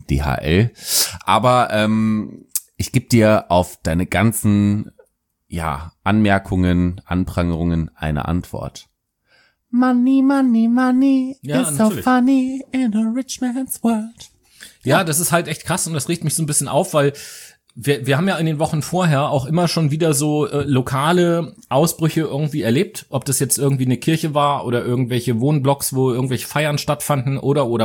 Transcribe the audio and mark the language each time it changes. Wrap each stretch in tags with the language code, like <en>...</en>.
<de>DHL, aber ich gebe dir auf deine ganzen Anmerkungen, Anprangerungen eine Antwort. Money ja, is natürlich.</de> <en>So funny in a rich man's world.</en> <de>Ja, das ist halt echt krass und das regt mich so ein bisschen auf, weil wir haben ja in den Wochen vorher auch immer schon wieder so lokale Ausbrüche irgendwie erlebt, ob das jetzt irgendwie eine Kirche war oder irgendwelche Wohnblocks, wo irgendwelche Feiern stattfanden oder.</de>